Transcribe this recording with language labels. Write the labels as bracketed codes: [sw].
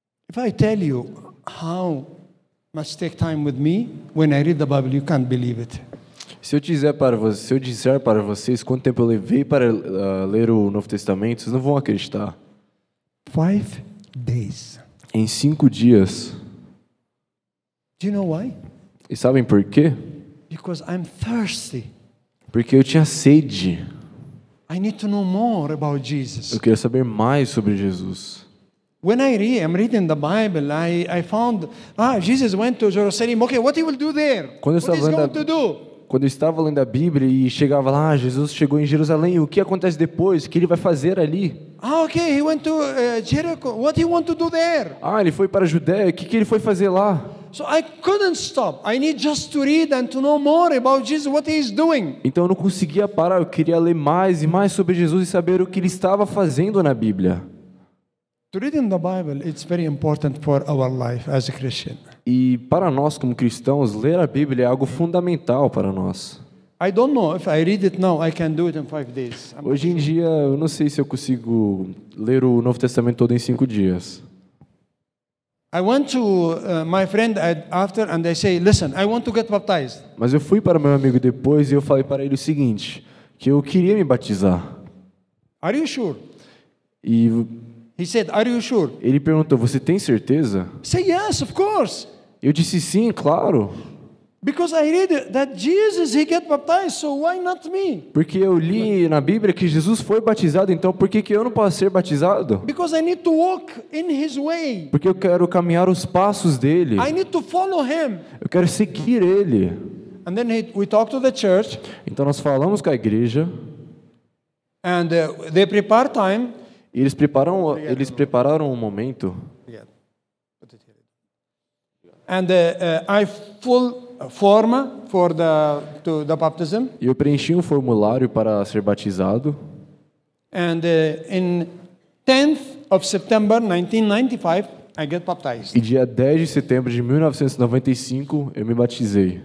[en] If I tell you how much take time with me when I read the Bible, you can't believe it. [pt] Se eu disser para vocês quanto tempo eu levei para ler o Novo Testamento, vocês não vão acreditar. [en] 5 days. [pt] Em 5 dias. [en] Do you know why? [pt] E sabem por quê? [en] Because I'm thirsty. [pt] Porque eu tinha sede. [en] I need to know more about Jesus. [pt] Eu queria saber mais sobre Jesus. [en] When I'm reading the Bible, I found Jesus went to Jerusalem. Okay, what he will do there? [pt] Quando eu estava lendo a Bíblia e chegava lá, Jesus chegou em Jerusalém. O que acontece depois? O que ele vai fazer ali? [en] Okay, he went to Jericho. What he want to do there? [pt] Ele foi para a Judéia. O que ele foi fazer lá? [en] So I couldn't stop. I need just to read and to know more about Jesus, what he is doing. [pt] Então eu não conseguia parar. Eu queria ler mais e mais sobre Jesus e saber o que ele estava fazendo na Bíblia. [en] To read in the Bible, it's very important for our life as a Christian. [pt] E para nós como cristãos, ler a Bíblia é algo fundamental para nós. [en] I don't know if I read it now, I can do it in 5 days. [pt] Hoje em dia, eu não sei se eu consigo ler o Novo Testamento todo em 5 dias. [en] I went to my friend after and I say, listen, I want to get baptized. [pt] Mas eu fui para meu amigo depois e eu falei para ele o seguinte, que eu queria me batizar. [en] Are you sure? [pt] E [en] he said, are you sure? [pt] Ele perguntou, você tem certeza? [en] Say yes, of course. [pt] Eu disse sim, claro. [en] Because I read that Jesus he get baptized, so why not me? [pt] Porque eu li na Bíblia que Jesus foi batizado, então por que eu não posso ser batizado? [en] Because I need to walk in his way. [pt] Porque eu quero caminhar os passos dele. [en] I need to follow him. [pt] Eu quero seguir ele. [en] And then we talk to the church. [pt] Então nós falamos com a igreja. [en] And they prepare time. [pt] Eles prepararam um momento. [en] And I full forma for the baptism. [pt] E eu preenchi um formulário para ser batizado. [en] And in 10th of September 1995, I get baptized. [pt] E dia 10 de setembro de 1995, eu me batizei.